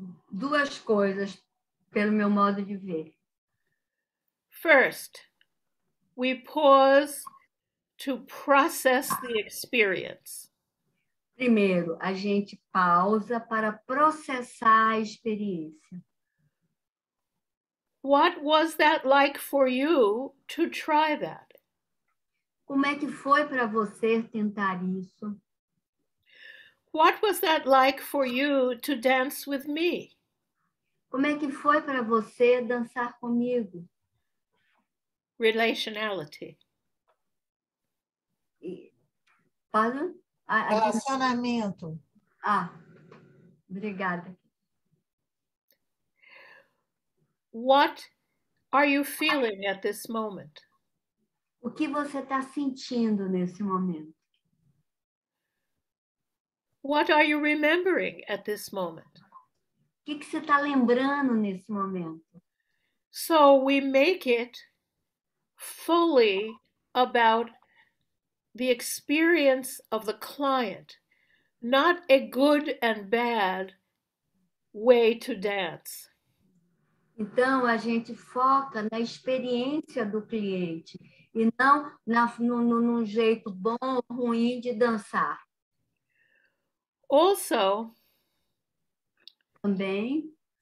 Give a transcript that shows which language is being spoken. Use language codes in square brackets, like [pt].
[pt] Duas coisas, pelo meu modo de ver. [en] First, we pause to process the experience. [pt] Primeiro, a gente pausa para processar a experiência. [en] What was that like for you to try that? [pt] Como é que foi para você tentar isso? [en] What was that like for you to dance with me? [pt] Como é que foi para você dançar comigo? [en] Relationality. Pardon? [pt] Relacionamento. Ah, obrigada. [en] What are you feeling at this moment? [pt] O que você está sentindo nesse momento? [en] What are you remembering at this moment? [pt] O que você está lembrando nesse momento? [en] So we make it fully about the experience of the client, not a good and bad way to dance. [pt] Então a gente foca na experiência do cliente e não na num jeito bom ou ruim de dançar. [en] Also, [pt] também.